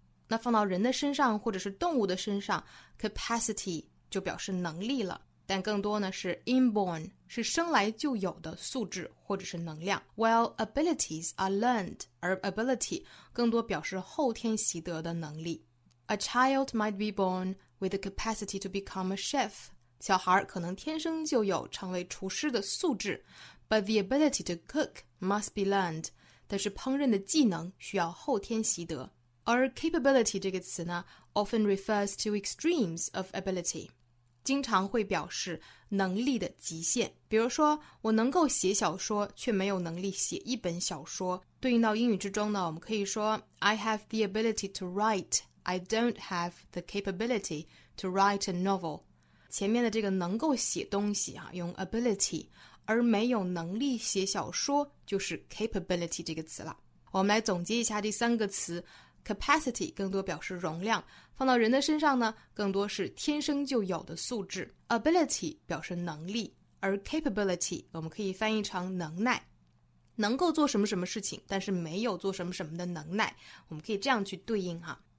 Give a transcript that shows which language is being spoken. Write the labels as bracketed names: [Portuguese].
[Chinese] 那放到人的身上或者是动物的身上 capacity 就表示能力了但更多呢是 inborn 是生来就有的素质或者是能量 [English] while abilities are learned [Chinese] 而 ability 更多表示后天习得的能力 [English] A child might be bornwith the capacity to become a chef. [Chinese] 小孩可能天生就有成为厨师的素质 [English] but the ability to cook must be learned. [Chinese] 但是烹饪的技能需要后天习得。而 [English] capability [Chinese] 这个词呢 [English] often refers to extremes of ability. [Chinese] 经常会表示能力的极限。比如说我能够写小说却没有能力写一本小说。对应到英语之中呢我们可以说 [English] I have the ability to write. I don't have the capability to write a novel. [Chinese] 前面的这个能够写东西啊，用 ability, 而没有能力写小说就是 capability 这个词了。我们来总结一下这三个词 capacity 更多表示容量放到人的身上呢更多是天生就有的素质 ability 表示能力而 capability 我们可以翻译成能耐能够做什么什么事情但是没有做什么什么的能耐我们可以这样去对应啊。